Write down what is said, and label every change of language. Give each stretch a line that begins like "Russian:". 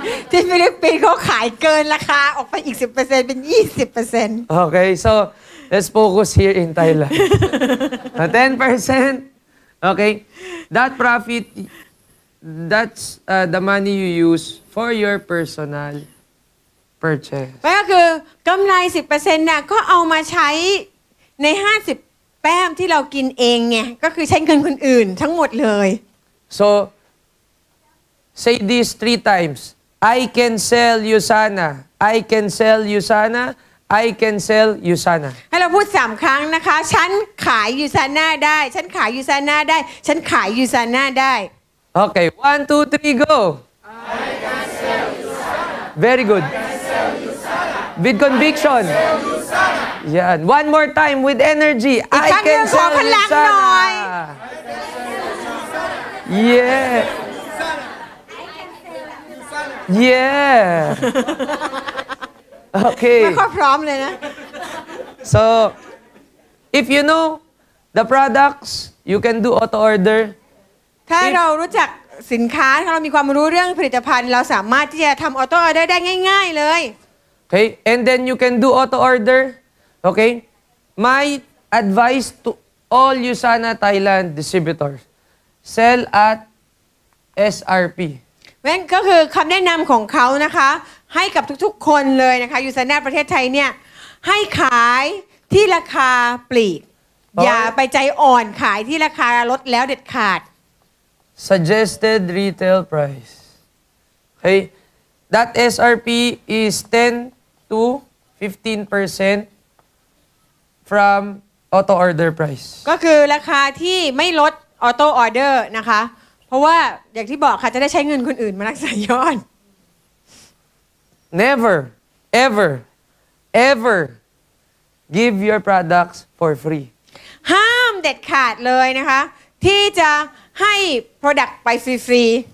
Thai: ที่ฟิลิปปินส์เขาขายเกินราคาออกไปอีก 10% เป็น 20%
English: Okay, so let's focus here in Thailand. 10% Okay, that profit, that's the money you use for your personal purchase.
Thai: ก็คือกำไร 10% เนี่ยก็เอามาใช้ใน50แป้มที่เรากินเองไงก็คือใช้เงินคนอื่นทั้งหมดเลย
English: SoSay this three times. I can sell you, Sana. I can sell you, Sana. I can sell you, Sana.
Thai: ให้เราพูด3ครั้งนะคะฉันขายยูซาน่าได้ฉันขายยูซาน่าได้ฉันขายยูซาน่าได้
English: Okay, 1, 2, 3, go. I can sell you, Sana. Very good. I can sell you, Sana. With conviction. I can sell you, Sana. Yan. One more time with energy. I can sell you, Sana. I can sell you, Sana. Yeah. Yeah. Okay.
Thai: ไม่ค่อยพร้อมเลยนะ
English: So, if you know the products, you can do auto order.
Thai: ถ้าเรารู้จักสินค้าถ้าเรามีความรู้เรื่องผลิตภัณฑ์เราสามารถที่จะทำออโต้ออเดอร์ได้ง่ายๆเลย
English: Okay. And then you can do auto order. Okay. My advice to all USANA Thailand distributors: sell at SRP.
Thai: นั่นก็คือคำแนะนำของเขานะคะให้กับทุกๆคนเลยนะคะอยู่ในประเทศไทยเนี่ยให้ขายที่ราคาปลีก oh. อย่าไปใจอ่อนขายที่ราคาลดแล้วเด็ดขาด
English: suggested retail price okay that SRP is 10-15% from auto order price
Thai: ก็คือราคาที่ไม่ลดออโต้ออเดอร์นะคะเพราะว่าอย่างที่บอกค่ะจะได้ใช้เงินคนอื่นมารักษายอด
English: Never ever ever give your products for free
Thai: ห้ามเด็ดขาดเลยนะคะที่จะให้ product ไปฟรี